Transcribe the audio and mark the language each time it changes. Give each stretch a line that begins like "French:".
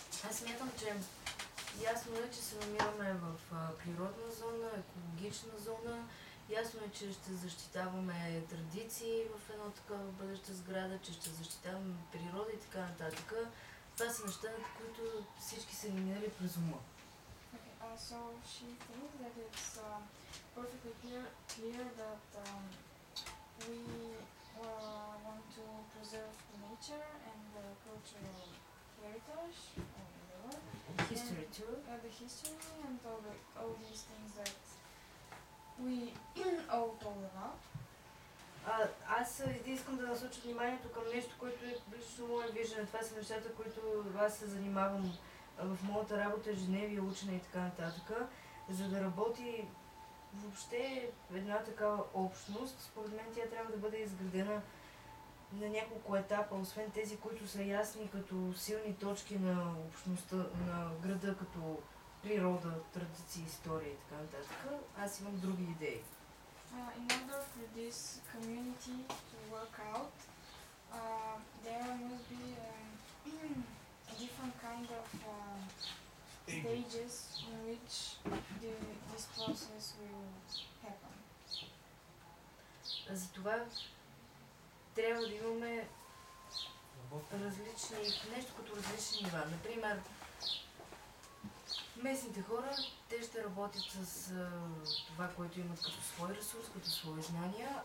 Bulgarian: Аз смятам, че ясно е, че се намираме в природна зона, екологична зона. Ясно е, че ще защитаваме традиции в едно такава бъдеща сграда, че ще защитаваме природа и така нататък. Това са неща, на които всички са минали през ума.
English: So she thinks that it's perfectly clear that we want to preserve nature and the cultural heritage and history too. The history and all these things that we all told about.
Bulgarian: Аз искам да насоча вниманието към нещо, което е близо мое виждане. Това са нещата, които аз се занимавам в моята работа, ежедневие, учене и така нататък. За да работи въобще една такава общност, според мен тя трябва да бъде изградена на няколко етапа, освен тези, които са ясни като силни точки на общността, на града, като природа, традиции, история и така нататък. Аз имам други идеи.
English: In order for this community to work out, there must be a different kind of stages in which this process will happen.
Bulgarian: Затова трябва да имаме различни, нещо като различни нива. Например, местните хора, те ще работят с това, което имат като свой ресурс, като свои знания.